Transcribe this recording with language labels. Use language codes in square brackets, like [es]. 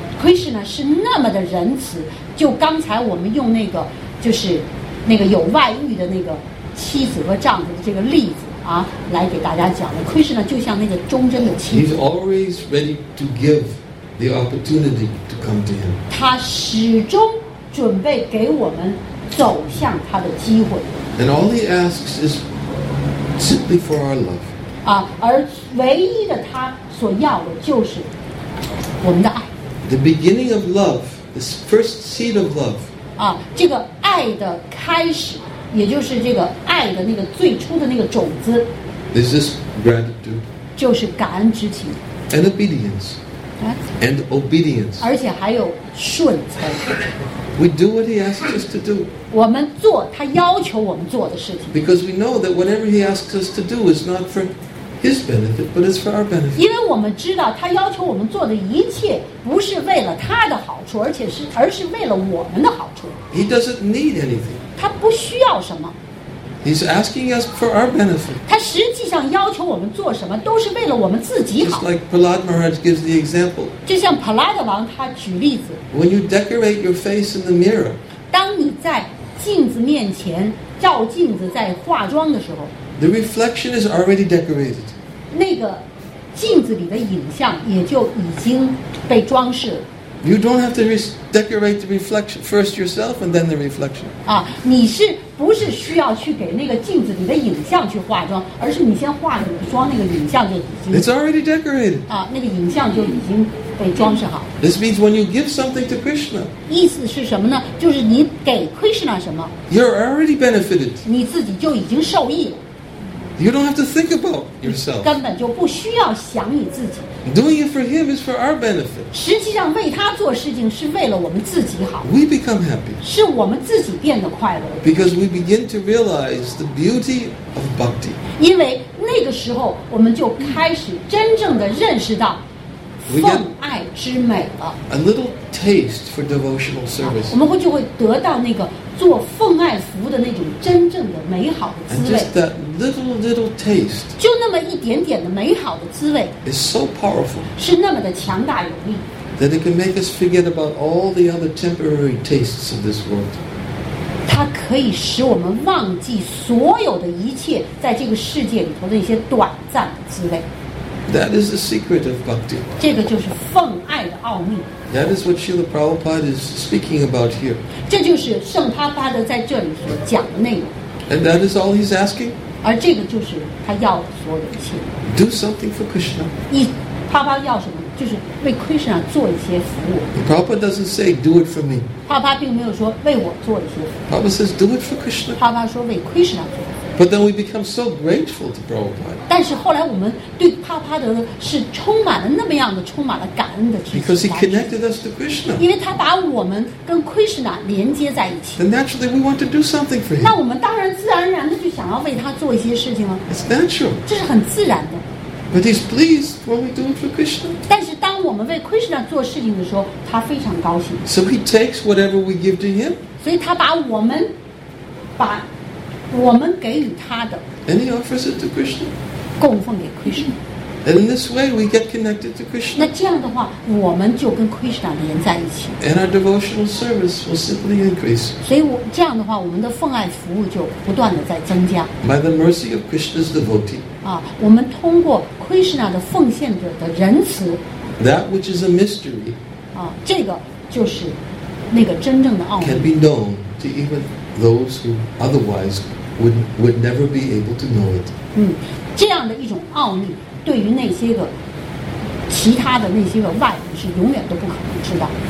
[zh] Krishna 是那么的仁慈，就刚才我们用那个就是那个有外遇的那个妻子和丈夫的这个例子啊，来给大家讲的。 Krishna 就像那个忠贞的妻子。 [en] He's always ready to give the opportunity to come to him. [zh] 他始终准备给我们走向他的机会。 [en] And all he asks is simply for our love. [zh] 啊，而唯一的他所要的就是我们的爱。 [en] The beginning of love, the first seed of love. [zh] 啊，这个爱的开始。也就是这个爱的那个最初的那个种子 [en] This is gratitude [zh] 就是感恩之情 [en] And obedience And obedience [zh] 而且还有顺从 [en] We do what he asks us to do [zh] 我们做他要求我们做的事情 [en] Because we know that whatever he asks us to do is not for his benefit but it's for our benefit [zh] 因为我们知道他要求我们做的一切不是为了他的好处而是为了我们的好处 [en] He doesn't need anything [zh] 他不需要什么 [en] He's asking us for our benefit [zh] 他实际上要求我们做什么都是为了我们自己好 [en] Just like Prahlad Maharaj gives the example [zh] 就像普拉德王他举例子 [en] When you decorate your face in the mirror [zh] 当你在镜子面前照镜子在化妆的时候 [en] The reflection is already decorated [zh] 那个镜子里的影像也就已经被装饰了 [en] You don't have to decorate the reflection first yourself and then the reflection. [zh] 啊，你是不是需要去给那个镜子里的影像去化妆，而是你先化了妆，那个影像就已经。 [en] It's already decorated. [zh] 啊，那个影像就已经被装饰好。 [en] This means when you give something to Krishna. [zh] 意思是什么呢？就是你给 Krishna 什么 [en] ？You're already benefited. [zh] 你自己就已经受益了。 [en] You don't have to think about yourself. [zh] 根本就不需要想你自己。 [en] Doing it for him is for our benefit. [zh] 实际上为他做事情是为了我们自己好。 [en] We become happy. [zh] 是我们自己变得快乐。 [en] Because we begin to realize the beauty of bhakti. [zh] 因为那个时候我们就开始真正的认识到奉爱之美了。 [en] A little taste for devotional service. [zh] 我们就会得到那个做奉爱服务的那种真正的美好的滋味。 [en] And just that little taste. [zh] 就那么一点点的美好的滋味。 [en] Is so powerful. [zh] 是那么的强大有力。 [en] That it can make us forget about all the other temporary tastes of this world. [zh] 它可以使我们忘记所有的一切在这个世界里头的一些短暂的滋味。 [en] That is the secret of bhakti. [zh] 这个就是奉爱的奥秘。 [en] That is what Srila Prabhupada is speaking about here. [zh] 这就是圣帕巴德在这里所讲的内容。 [en] And that is all he's asking. [zh] 而这个就是他要所有的一切。 [en] Do something for Krishna. [zh] 你帕巴要什么？就是为 Krishna 做一些服务。 [en] The Prabhupada doesn't say do it for me. [zh] 帕巴并没有说为我做一些服务。 [en] Prabhupada says do it for Krishna. [zh] 帕巴说为 Krishna 做。 [en] But then we become so grateful to Prabhupada. [zh] 但是后来我们对帕帕德是充满了那么样的充满了感恩的。 [en] Because he connected us to Krishna. [zh] 因为他把我们跟 Krishna 连接在一起。 [en] Then naturally we want to do something for him. [zh] 那我们当然自然而然的就想要为他做一些事情了。 [en] It's natural. [zh] 这是很自然的。 [en] But he's pleased when we do it for Krishna. [zh] 但是当我们为 Krishna 做事情的时候，他非常高兴。 [en] So he takes whatever we give to him. [zh] 所以他把我们把。我们给予他的 [en] And he offers it to Krishna. [zh] 供奉给 Krishna. [en] And in this way, we get connected to Krishna. [zh] 那这样的话，我们就跟 Krishna 连在一起。 [en] And our devotional service will simply increase. [zh] 所以这样的话，我们的奉爱服务就不断的在增加。 [en] By the mercy of Krishna's devotee. [zh] 啊，我们通过 Krishna 的奉献者的仁慈。 [en] That which is a mystery. [zh] 啊，这个就是那个真正的奥秘。 [en] Can be known to even those who otherwise would never be able to know it. [zh] 这样的一种奥秘对于那些个其他的那些个外人是永远都不可能知道。